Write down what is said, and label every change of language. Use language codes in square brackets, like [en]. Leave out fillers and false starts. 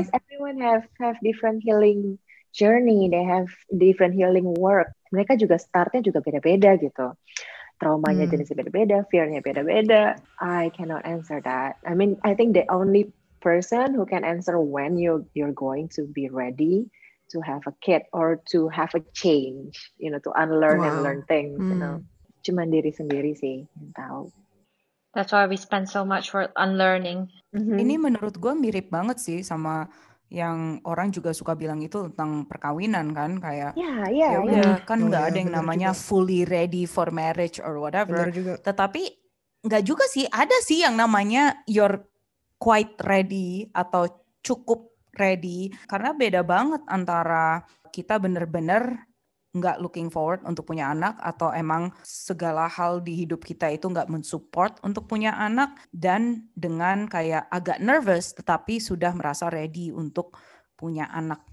[en] Because everyone have different healing journey, they have different healing work. [id] Mereka juga startnya juga beda-beda gitu. Traumanya jenisnya beda-beda, fearnya beda-beda. [en] I cannot answer that. I mean, I think the only person who can answer when you're going to be ready to have a kid or to have a change, you know, to unlearn and learn things, you know. [id] Cuman diri sendiri sih yang tahu. [en] That's why we spend so much for unlearning. Mm-hmm. [id] Ini menurut gue mirip banget sih sama yang orang juga suka bilang itu tentang perkawinan kan, kayak kan nggak ada yang namanya juga [en] fully ready for marriage or whatever. [id] Tetapi nggak juga sih, ada sih yang namanya [en] you're quite ready [id] atau cukup ready, karena beda banget antara kita benar-benar nggak [en] looking forward [id] untuk punya anak atau emang segala hal di hidup kita itu nggak mensupport untuk punya anak, dan dengan kayak agak nervous tetapi sudah merasa ready untuk punya anak.